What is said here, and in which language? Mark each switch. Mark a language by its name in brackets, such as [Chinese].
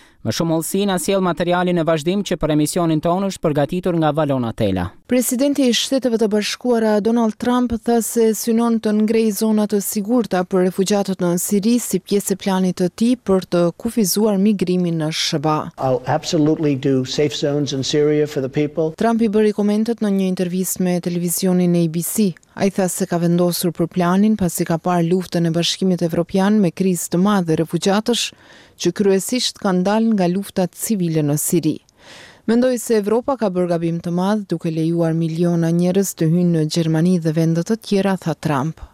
[Albanian] Më shumë ollësi na sjell materialin e vazhdim që për emisionin tonë është përgatitur nga Valona Tela. Presidenti i Shteteve të Bashkuara Donald Trump tha se synon të ngrejë zona të sigurta për refugjatët në Siri si pjesë e planit të tij për të kufizuar migrimin në SBA. [English] I'll absolutely do safe zones in Syria for the people. [Albanian] Trump i bëri komentet në një intervistë me televizionin ABC. Ai tha se ka vendosur për planin pasi ka parë luftën e Bashkimit Evropian me krizë të madhe refugjatësh që kryesisht kanë dalë nga lufta civile në Siri. Mendoj se Evropa ka bërë gabim të madh duke lejuar miliona njerëz të hynë në Gjermani dhe vende të tjera, tha Trump.